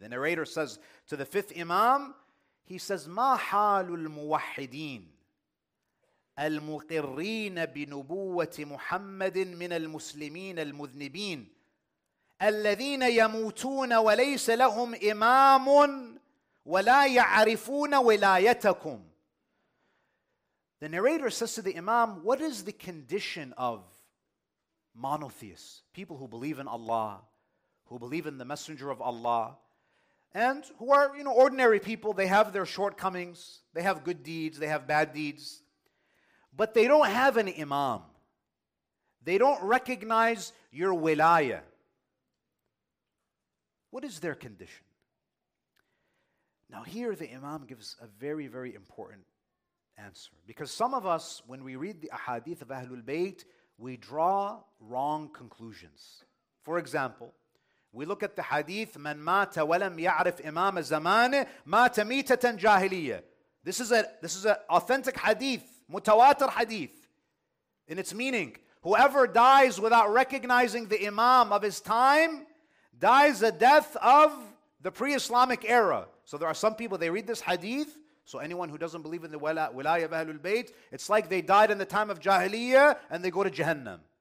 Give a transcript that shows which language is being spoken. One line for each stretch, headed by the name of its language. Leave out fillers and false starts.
English: The narrator says to the fifth Imam, he says,
Arabic: مَا حَالُ الْمُوَحِّدِينَ الْمُقِرِّينَ بِنُبُوَّةِ مُحَمَّدٍ مِنَ الْمُسْلِمِينَ الْمُذْنِبِينَ الَّذِينَ يَمُوتُونَ وَلَيْسَ لَهُمْ إِمَامٌ وَلَا يَعْرِفُونَ وِلَايَتَكُمْ.
English: The narrator says to the Imam, what is the condition of monotheists, people who believe in Allah, who believe in the Messenger of Allah, and who are, you know, ordinary people? They have their shortcomings, they have good deeds, they have bad deeds, but they don't have an imam. They don't recognize your wilaya. What is their condition? Now here the Imam gives a very, very important answer. Because some of us, when we read the ahadith of Ahlul Bayt, we draw wrong conclusions. For example, we look at the hadith,
Arabic: من مات ولم يعرف إمام زمان مات ميتة جاهلية.
English: This is an authentic hadith, mutawatir hadith, in its meaning. Whoever dies without recognizing the Imam of his time dies a death of the pre-Islamic era. So there are some people, they read this hadith. So anyone who doesn't believe in the wilaya of Ahlul Bayt, it's like they died in the time of Jahiliyyah and they go to Jahannam.